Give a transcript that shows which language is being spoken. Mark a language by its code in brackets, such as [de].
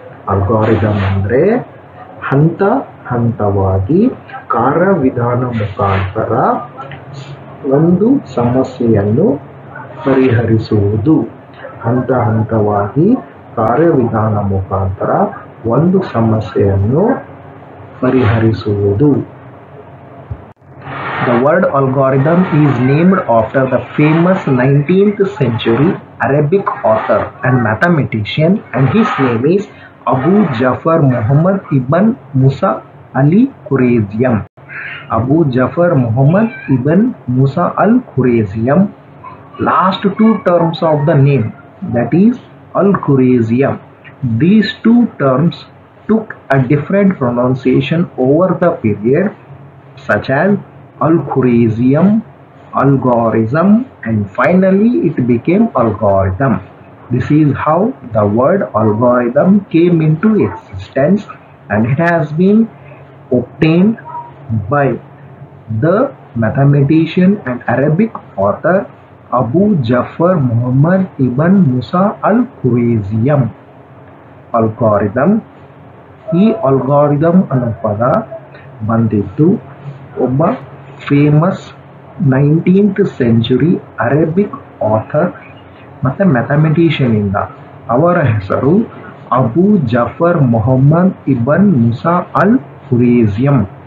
[kn] Algorithm ಅಂದರೆ ಹಂತ ಹಂತವಾಗಿ ಕಾರ್ಯವಿಧಾನ ಮುಖಾಂತರ ಒಂದು ಸಮಸ್ಯೆಯನ್ನು ಪರಿಹರಿಸುವುದು. ಹಂತ ಹಂತವಾಗಿ ಕಾರ್ಯವಿಧಾನ ಮುಖಾಂತರ ಒಂದು ಸಮಸ್ಯೆಯನ್ನು ಪರಿಹರಿಸುವುದು. [en] The word algorithm is named after the famous 19th century Arabic author and mathematician, and his name is Abu Jafar Muhammad ibn Musa al-Khwarizmi. Abu Jafar Muhammad ibn Musa al-Khwarizmi. Last two terms of the name, that is al-Khwarizmi, these two terms took a different pronunciation over the period, such as Al-Khwarizmi, algorithm, and finally it became algorithm. This is how the word algorithm came into existence, and it has been obtained by the mathematician and Arabic author Abu Jafar Muhammad ibn Musa al-Khwarizmi. Algorithm. [kn] ಈ algorithm ಅನ್ನೋ ಪದ ಬಂದಿದ್ದು ಒಬ್ಬ famous 19th century Arabic author ಮತ್ತು ಮ್ಯಾಥಮೆಟಿಷಿಯನಿಂದ. ಅವರ ಹೆಸರು ಅಬು ಜಫರ್ ಮೊಹಮ್ಮದ್ ಇಬನ್ ಮುಸಾ ಅಲ್ ಖ್ವಾರಿಜ್ಮಿ.